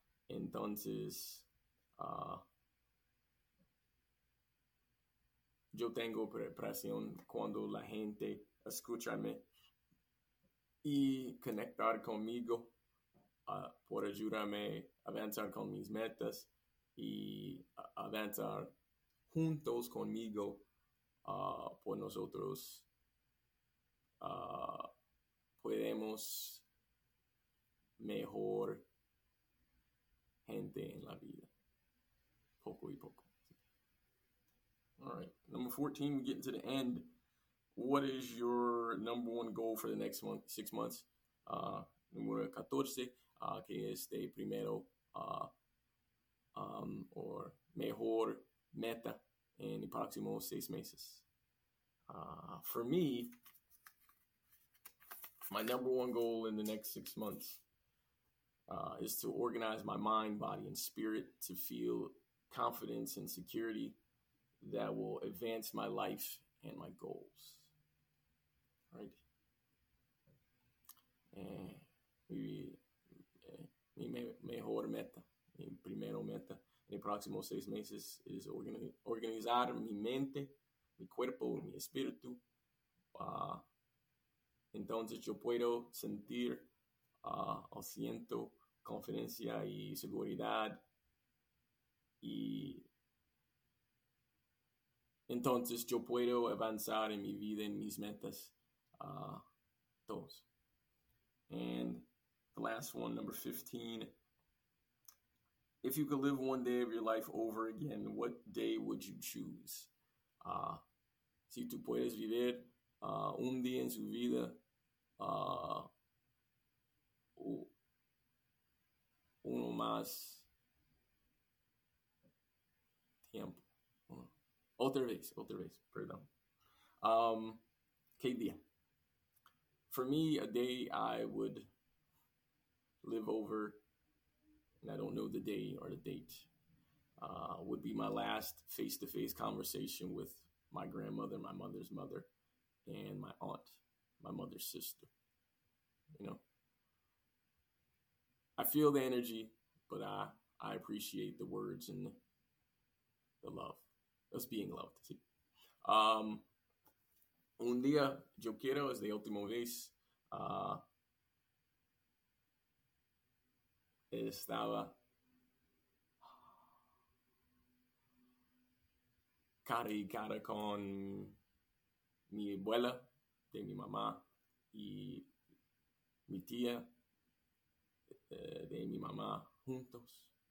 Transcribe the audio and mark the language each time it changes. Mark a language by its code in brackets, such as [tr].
[es] Entonces, yo tengo presión cuando la gente escúchame y conectar conmigo por ayudarme a avanzar con mis metas y avanzar juntos conmigo por nosotros. Podemos mejor gente en la vida, poco y poco. [en] All right, number 14, we're getting to the end. What is your number one goal for the next month, 6 months? [es] Número 14, que este primero o mejor meta en los próximos 6 meses. [en] For me, my number one goal in the next 6 months is to organize my mind, body, and spirit to feel confidence and security that will advance my life and my goals. All right. [es] Mi mejor meta, mi primero meta en los próximos 6 meses es organizar mi mente, mi cuerpo, mi espíritu. Entonces yo puedo sentir o siento confianza y seguridad. Y entonces yo puedo avanzar en mi vida, en mis metas, todos. [en] And the last one, number 15. If you could live one day of your life over again, what day would you choose? [es] Si tú puedes vivir un día en su vida, uno más tiempo. Otra vez, perdón. ¿Qué día? [en] For me, a day I would live over, and I don't know the day or the date, would be my last face-to-face conversation with my grandmother, my mother's mother, and my aunt, my mother's sister. You know, I feel the energy, but I appreciate the words and the love. Us being loved. See? [es] Un día yo quiero es de última vez. Estaba cara y cara con mi abuela de mi mamá y mi tía de mi mamá juntos.